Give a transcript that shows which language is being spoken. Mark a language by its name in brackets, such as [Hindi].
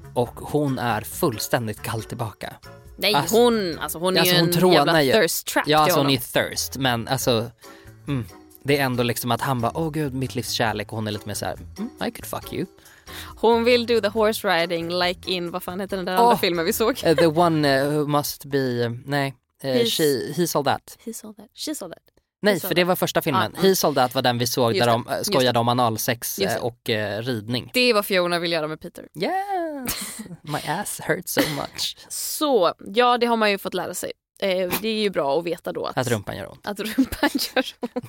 [Swedish] Och hon är fullständigt kall tillbaka. Nej, alltså, hon är ju en jävla thirst trap. Ja, alltså hon är thirst. Men alltså, det är ändå liksom att han bara, åh gud, mitt livs kärlek. Och hon är lite mer så här, [English] I could fuck you. [Swedish] Hon vill [English] do the horse riding like in, [Swedish] vad fan heter den där andra filmen vi såg? [English] The one who must be, [Swedish] nej, [English] he's all that. He's all that, she's all that. [Swedish] Nej, för det var första filmen. He's all that var den vi såg där de skojade om analsex och ridning. Det är vad Fiona vill göra med Peter. [English] Yeah, my ass hurts so much. [Swedish] Så, ja, det har man ju fått lära sig. Det är ju bra att veta då att rumpan gör ont. Att rumpan gör ont.